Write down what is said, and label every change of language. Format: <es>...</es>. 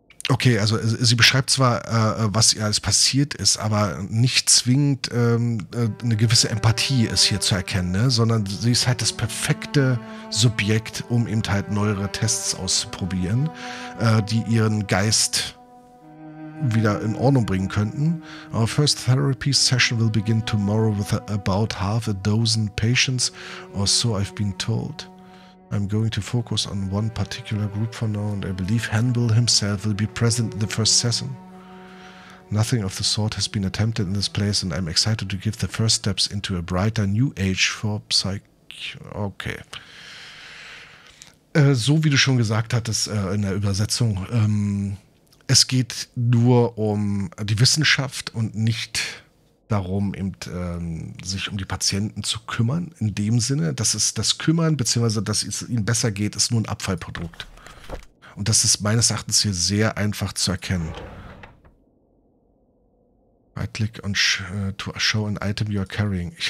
<de>Okay, also sie beschreibt zwar, was ihr alles passiert ist, aber nicht zwingend eine gewisse Empathie ist hier zu erkennen, ne? Sondern sie ist halt das perfekte Subjekt, um eben halt neuere Tests auszuprobieren, die ihren Geist wieder in Ordnung bringen könnten.</de> <en>Our first therapy session will begin tomorrow with about half a dozen patients, or so I've been told. I'm going to focus on one particular group for now and I believe Hannibal himself will be present in the first session. Nothing of the sort has been attempted in this place and I'm excited to give the first steps into a brighter new age for psych... Okay.</en> <de>So wie du schon gesagt hattest in der Übersetzung, es geht nur um die Wissenschaft und nicht darum, eben sich um die Patienten zu kümmern, in dem Sinne, dass es das Kümmern, beziehungsweise dass es ihnen besser geht, ist nur ein Abfallprodukt. Und das ist meines Erachtens hier sehr einfach zu erkennen.</de> <en>Right click on to show an item you are carrying.</en>